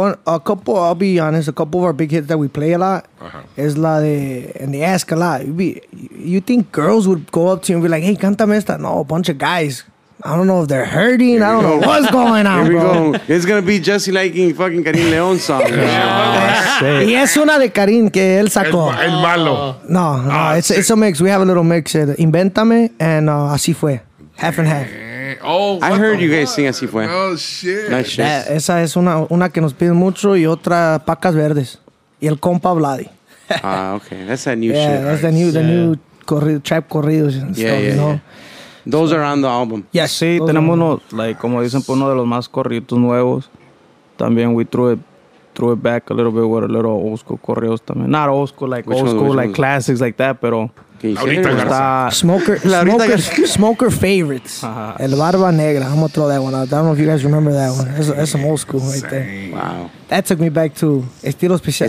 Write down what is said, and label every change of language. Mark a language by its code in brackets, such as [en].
[en] I'll be honest, a couple of our big hits that we play a lot, uh-huh, is la de, and they ask a lot. You think girls would go up to you and be like, hey, [es] cántame esta? [en] No, a bunch of guys. I don't know if they're hurting. I don't know what's going on, here we bro. Go. It's going to be Jesse liking fucking Karim León song. Oh, shit. [es] Y es una de Karim que él sacó. El malo. [en] No, it's a mix. We have a little mix. Invéntame and Así Fue. Half and half. Oh, I heard you guys sing Así Fue. Oh, shit. Nice shit. Yeah, [es] esa es una que nos piden mucho y otra Pacas Verdes. Y el compa Vladi. [en] Ah, okay. That's that new shit. Yeah, that's the new, corrido, trap corridos. And yeah, stuff, you know? Yeah. Those are on the album. Yes. [es] Sí, tenemos uno, like, como dicen, por uno de los más corritos nuevos. También [en] we threw it threw it back a little bit with a little old school correos también. Not old school, like which old one, school, like one? Classics like that, pero... Smoker favorites. Uh-huh. El Barba Negra. I'm going to throw that one out. I don't know if you guys remember that one. That's some old school right there. Wow. That took me back to Estilo Especial.